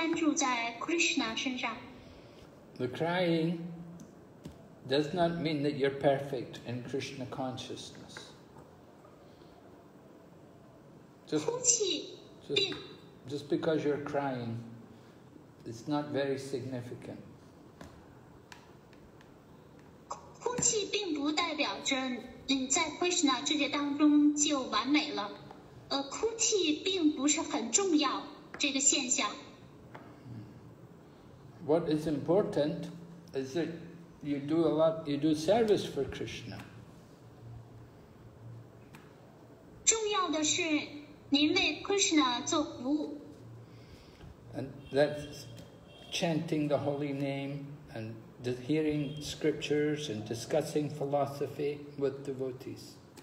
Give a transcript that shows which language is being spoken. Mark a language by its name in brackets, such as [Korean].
[Chinese] 但是你要继续念诵，专注的念诵，祈祷，你的念诵能够帮助你把心意专注在Krishna身上。 [English] The crying does not mean that you're perfect in Krishna consciousness. [Chinese] 哭泣，并 [English] just because you're crying, it's not very significant. [Chinese] 哭泣并不代表着你在Krishna这些当中就完美了。哭泣并不是很重要，这个现象。 [English] What is important is that you do a lot, you do service for Krishna. [Chinese] 重要的是您为Krishna做服务。 [English] And that's chanting the holy name and hearing scriptures and discussing philosophy with devotees.